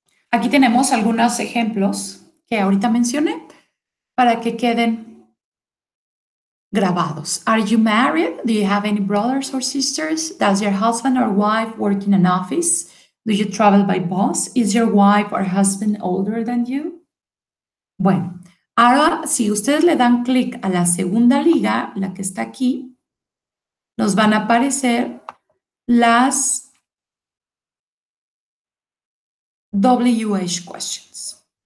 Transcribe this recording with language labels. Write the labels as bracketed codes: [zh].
[es] Aquí tenemos algunos ejemplos que ahorita mencioné para que queden grabados. [en] Are you married? Do you have any brothers or sisters? Does your husband or wife work in an office? Do you travel by bus? Is your wife or husband older than you? [es] Bueno, ahora si ustedes le dan clic a la segunda liga, la que está aquí, nos van a aparecer las WH questions.